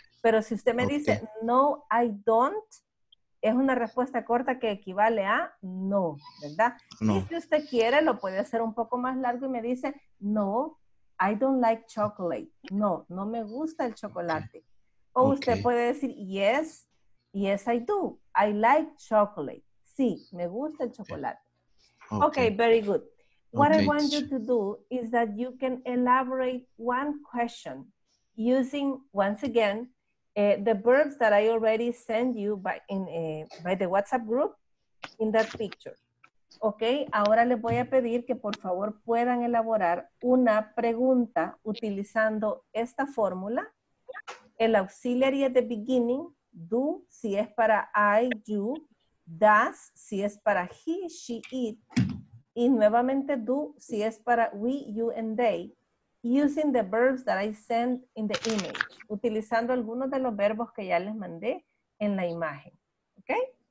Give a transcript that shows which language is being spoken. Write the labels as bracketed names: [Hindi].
[Spanish] Pero si usted me dice no, [English] I don't, [Spanish] es una respuesta corta que equivale a no, ¿verdad? No. Y si usted quiere, lo puede hacer un poco más largo y me dice no, [English] I don't like chocolate. [Spanish] No, no me gusta el chocolate. Okay. O usted puede decir [English] yes, yes, I do. I like chocolate. [Spanish] Sí, me gusta el chocolate. [English] Okay, very good. What I want you to do is that you can elaborate one question using, once again, the verbs that I already sent you by the WhatsApp group in that picture. [Spanish] Okay, ahora les voy a pedir que por favor puedan elaborar una pregunta utilizando esta fórmula. [English] El auxiliary at the beginning, do, si es para I, you, does, si es para he, she, it, y nuevamente do, si es para we, you, and they, using the verbs that I send in the image, [Spanish] utilizando algunos de los verbos que ya les mandé en la imagen. [English] Okay?